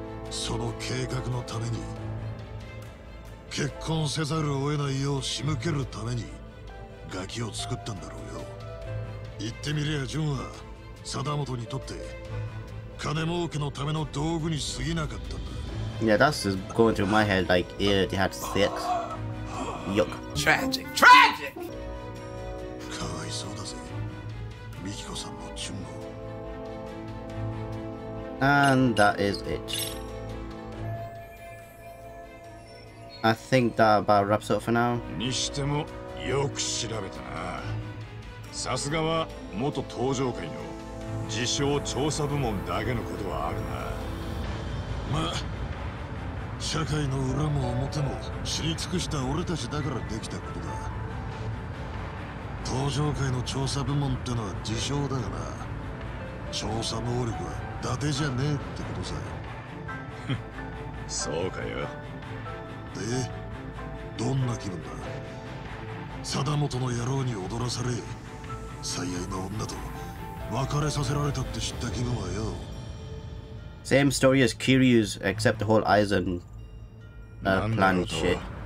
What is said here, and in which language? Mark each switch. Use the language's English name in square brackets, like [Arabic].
[Japanese] その計画のために、結婚せざるを得ないよう仕向けるためにガキを作ったんだろうよ。言ってみりゃ純は貞本にとって金儲けのための道具に過ぎなかったんだ。 [English] Yeah, that's just going through my head, like, yeah, they had sex. Yuck. Tragic, tragic! [Japanese] かわいそうだぜ、ミキコさんも、チュンも。 [English] And that is it. I think that about wraps up for now. [Japanese] にしても、よく調べたな。さすがは、元登場会の自称調査部門だけのことはあるな。まあ、社会の裏も表も知り尽くした俺たちだからできたことだ。登場界の調査部門ってのは自称だがな、調査能力は伊達じゃねえってことさ。そうかよ。で、どんな気分だ。貞本の野郎に踊らされ、最愛の女と別れさせられたって知った気分はよ。 [English] Same story as Kiryu's, except the whole Aizen plan shit.